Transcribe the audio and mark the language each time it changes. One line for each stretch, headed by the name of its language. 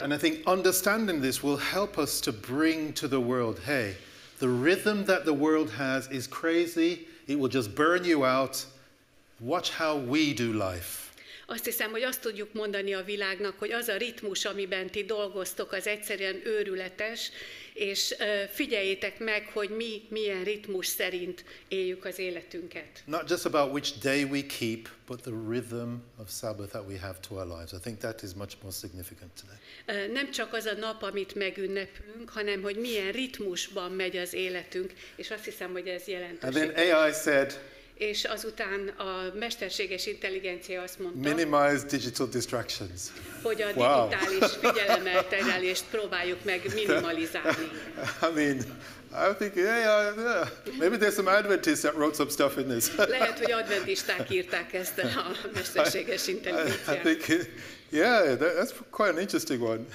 English: And I think understanding this will help us to bring to the world, hey, the rhythm that the world has is crazy, it will just burn you out. Watch how we do life.
Hungarian: Azt hiszem, hogy azt tudjuk mondani a világnak, hogy az a ritmus, amiben ti dolgoztok, az egyszerűen őrületes, és figyeljétek meg, hogy mi milyen ritmus szerint éljük az életünket.
English: Not just about which day we keep, but the rhythm of Sabbath that we have to our lives. I think that is much more significant today.
Hungarian: Nem csak az a nap, amit megünnepünk, hanem hogy milyen ritmusban megy az életünk, és azt hiszem, hogy ez jelentős.
English: And then AI said,
Hungarian: és azután a mesterséges intelligencia azt mondta,
English: minimize digital distractions.
Hungarian: Hogy a digitális figyelemelterelést próbáljuk meg minimalizálni.
English: I mean, I think, yeah. Maybe there's some Adventists that wrote some stuff in this.
Hungarian: Lehet, hogy adventisták írták ezt a mesterséges intelligenciát.
English: I think, yeah, that's quite an interesting one.